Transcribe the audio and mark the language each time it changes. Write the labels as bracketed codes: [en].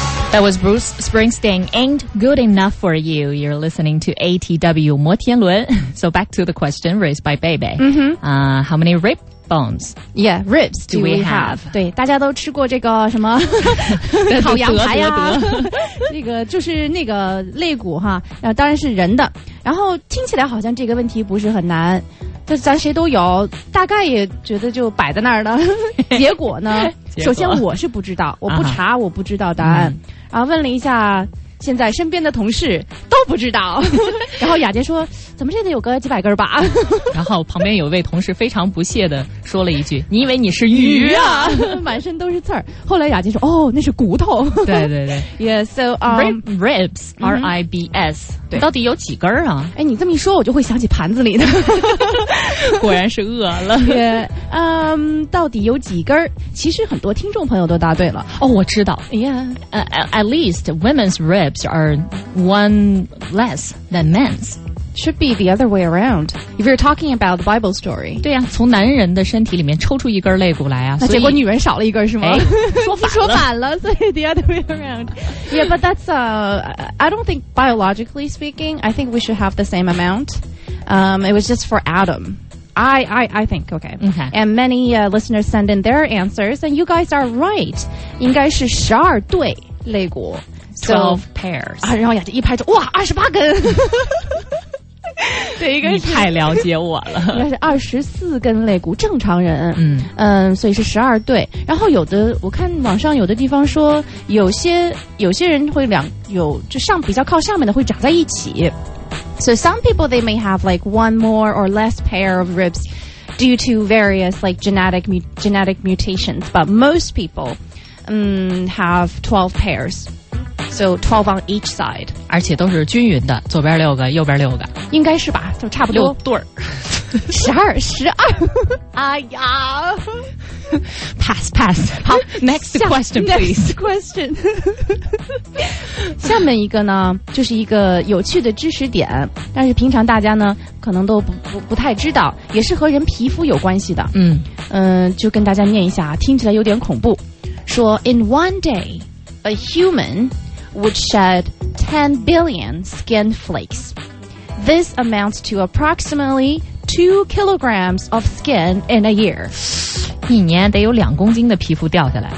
[en] That was Bruce Springsteen, Ain't Good Enough For You. You're listening to ATW 摩天轮.So back to the question raised by Bebe. How many rib bones? Yeah, ribs do we have? [zh] 对，大家都吃过这个什么烤羊排呀、啊、这个就是那个肋骨哈、啊、当然是人的。然后听起来好像这个问题不是很难，就是咱谁都有，大概也觉得就摆在那儿了。结果呢，首先我是不知道，我不查我不知道答案、uh-huh. 然后问了一下现在身边的同事都不知道。然后雅洁说怎么这得有个几百根吧。然后旁边有位同事非常不屑的说了一句，你以为你是鱼啊？满身都是刺儿。后来雅洁说哦，那是骨头。对对对 [en] yeah, so,、 [zh] Ribs R-I-B-S、嗯、对，到底有几根啊？哎，你这么一说我就会想起盘子里的。果然是饿了。 yeah, 到底有几根？其实很多听众朋友都答对了。哦，我知道 yeah, [en] at least women'sRibs are one less than men's. Should be the other way around. If you're talking about the Bible story. [zh] 对呀、啊、从男人的身体里面抽出一根肋骨来啊。那结果女人少了一根是吗、哎、说反了所以 [en] the other way around. Yeah, but that's, I don't think biologically speaking, I think we should have the same amount. It was just for Adam. I think, okay. okay. And many、listeners send in their answers, and you guys are right. [zh] 应该是十二对肋骨。 [en] 12 pairs. [zh] 啊，然后雅洁一拍就哇，28根。对，应该是你太了解我了。应该是24根肋骨，正常人。嗯，所以是12对。然后有的我看网上有的地方说，有些人会就比较靠上面的会长在一起。 [en] So some people they may have like one more or less pair of ribs due to various like genetic mutations, but most people have 12 pairs. So 12 on each side. [zh] 而且都是均匀的，左边六个，右边六个。应该是吧，就差不多。六对儿。 12。哎呀。Pass. 好 [en] ,next question, please. Next question. [zh] 下面一个呢，就是一个有趣的知识点，但是平常大家呢，可能都不太知道，也是和人皮肤有关系的。嗯。就跟大家念一下，听起来有点恐怖。说 [en] ,in one day, a human... would shed 10 billion skin flakes. This amounts to approximately 2 kilograms of skin in a year. [zh] 一年得有2公斤的皮肤掉下来。